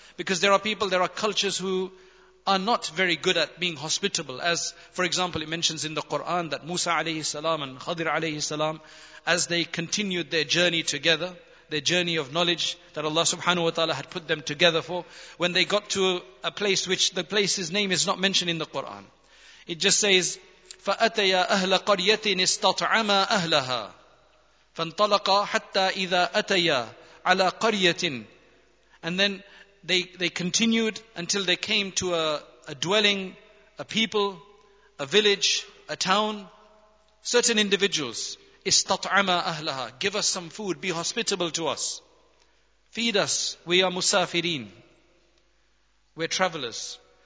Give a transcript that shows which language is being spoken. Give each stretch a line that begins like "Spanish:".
English: Because there are people, there are cultures who are not very good at being hospitable. As, for example, it mentions in the Quran that Musa alayhi salam and Khadir alayhi salam, as they continued their journey together, their journey of knowledge that Allah subhanahu wa ta'ala had put them together for, when they got to a place which the place's name is not mentioned in the Quran.
Arabic: It just says, فَأَتَيَا أَهْلَ قَرْيَةٍ اسْتَطْعَمَا أَهْلَهَا فَانْطَلَقَا حَتَّى إِذَا أَتَيَا عَلَى قَرْيَةٍ.
English: And then they continued until they came to a dwelling, a people, a village, a town. Certain individuals,
Arabic: istat'ama ahlaha,
English: give us some food, be hospitable to us. Feed us, we are musafirin, we're travelers.